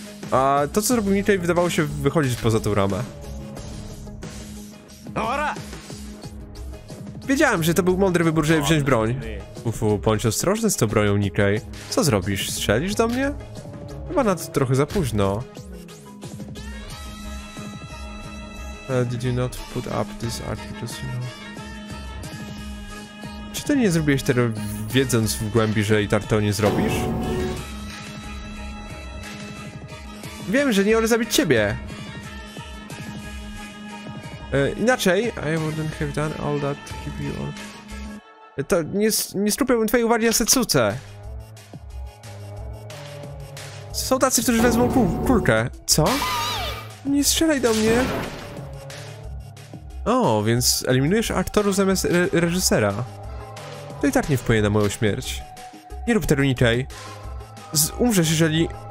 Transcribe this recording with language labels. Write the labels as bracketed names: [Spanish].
[Polish] A to, co zrobił Nikkei, wydawało się wychodzić poza tą ramę. Wiedziałem, że to był mądry wybór, żeby wziąć broń. Bądź ostrożny z tą bronią, Nikkei. Co zrobisz? Strzelisz do mnie? Chyba na to trochę za późno. [English] Did you not put up this artifact? [Polish] Czy ty nie zrobiłeś tego, wiedząc w głębi, że i tak to nie zrobisz? Wiem, że nie mogę zabić ciebie! Inaczej... [English] I wouldn't have done all that to keep you on... [Polish] To nie skupiłbym twojej uwagi na Setsuce! Są tacy, którzy wezmą kulkę. Co? Nie strzelaj do mnie! O, więc eliminujesz aktorów zamiast reżysera. To i tak nie wpłynie na moją śmierć. Nie rób tego, Nikkei. Umrzesz, jeżeli...